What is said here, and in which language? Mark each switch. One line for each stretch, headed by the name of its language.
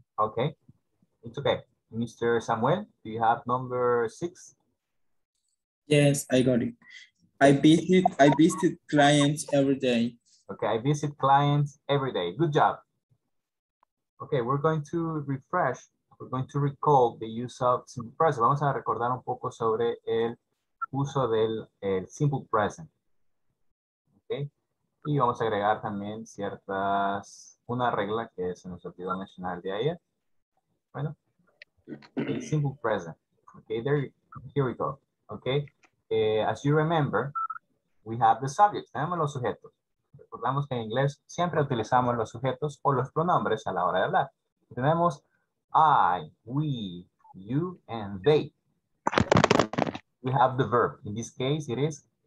English: Okay. It's okay. Mr. Samuel, do you have number six? Yes, I got it. I visit clients every day. Okay. I visit clients every day. Good job. Okay. We're going to refresh. We're going to recall the use of simple present.
Spanish: Vamos a recordar un poco sobre el uso del el simple present. Okay. Y vamos a agregar también una regla que se nos olvidó mencionar el día de ayer. Bueno,
English: el simple present. Okay, here we go. Okay, as you remember, we have the subject.
Spanish: Tenemos los sujetos. Recordamos que en inglés siempre utilizamos los sujetos o los pronombres a la hora de hablar. Tenemos
English: I, we, you, and they. We have the verb. In this case, it is